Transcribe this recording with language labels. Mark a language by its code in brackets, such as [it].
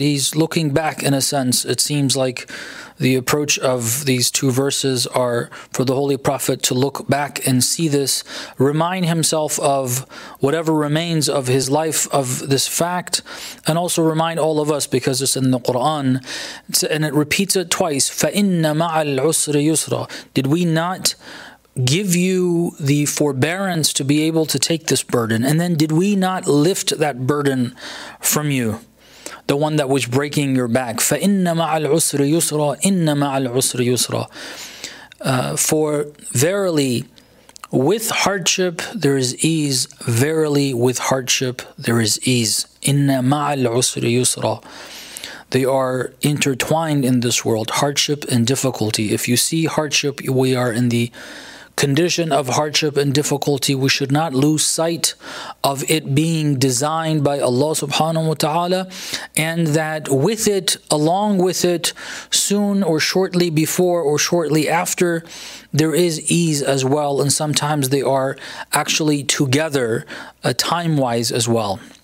[en] He's looking back in a sense. It seems like the approach of these two verses are for the Holy Prophet to look back and see this, remind himself of whatever remains of his life, of this fact, and also remind all of us, because it's in the Qur'an, and it repeats it twice, [ar] فَإِنَّ مَعَ الْعُسْرِ يُسْرًا. [en] Did we not give you the forbearance to be able to take this burden? And then did we not lift that burden from you, the one that was breaking your back? [ar] فَإِنَّ مَعَ الْعُسْرِ يُسْرًا إِنَّ مَعَ الْعُسْرِ يُسْرًا [en] For verily, with hardship there is ease. Verily, with hardship there is ease. [ar] إِنَّ مَعَ الْعُسْرِ يُسْرًا [en] They are intertwined in this world, hardship and difficulty. If you see hardship, we are in the condition of hardship and difficulty. We should not lose sight of it being designed by Allah subhanahu wa ta'ala, and that with it, along with it, soon or shortly before or shortly after, there is ease as well, and sometimes they are actually together time-wise as well.